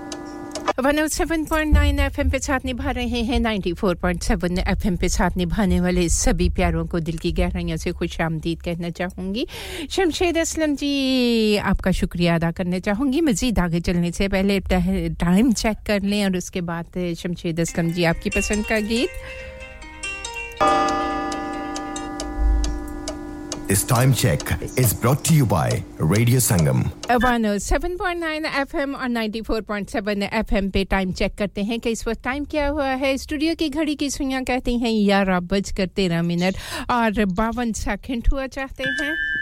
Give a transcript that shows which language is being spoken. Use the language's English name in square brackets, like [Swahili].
[Hindi] 107.9 FM पे साथ निभा रहे हैं 94.7 FM पे साथ निभाने वाले सभी प्यारों को दिल की गहराइयों से खुशामदीद कहना चाहूंगी शमशेद असलम जी आपका शुक्रिया अदा करना चाहूंगी मजीद आगे चलने से पहले टाइम चेक कर लें और उसके बाद शमशेद असलम जी आपकी पसंद का गीत [English] This time check is brought to you by Radio Sangam. [Hindi] 107.9 FM और 94.7 FM पे time check करते हैं कि इस वक्त time क्या हुआ है. Studio की घड़ी की सुइयां कहती हैं यार अब बज कर 13 मिनट और 52 सेकंड हुआ चाहते हैं.